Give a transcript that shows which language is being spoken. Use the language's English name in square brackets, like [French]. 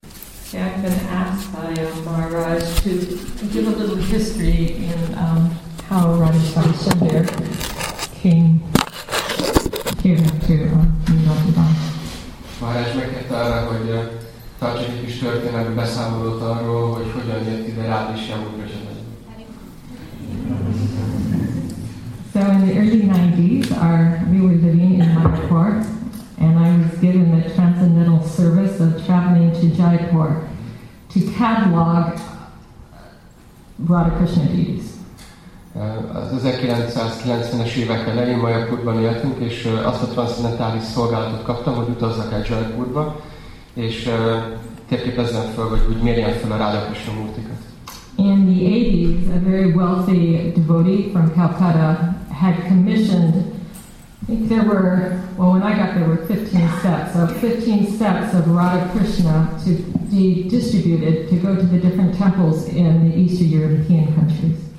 [English] Yeah, I've been asked by Maharaj to give a little history in how Rani Sundar came here to Vrindavan. [Hungarian] Maharaj megkérte arra, hogy tartsa egy kis történetbe beszámolót arról, hogy hogyan jött ide rád is jól köszönhetően. [English] So in the early 90s, we were living in Mayapur, and I was given the transcendental service of traveling to Jaipur to catalog Radha Krishna deities. [Hungarian] Az 1990-es évek elején Mayapurban éltünk, és azt a transzcendentális szolgálatot kaptam, hogy utazzak el Jaipurba, és térképezzem fel, vagy úgy mérjem fel a Radha Krishna murtikat. [English] In the 80s, a very wealthy devotee from Calcutta had commissioned, I think there were, well, when I got there, were 15 sets of Radha Krishna to be distributed to go to the different temples in the Eastern European countries.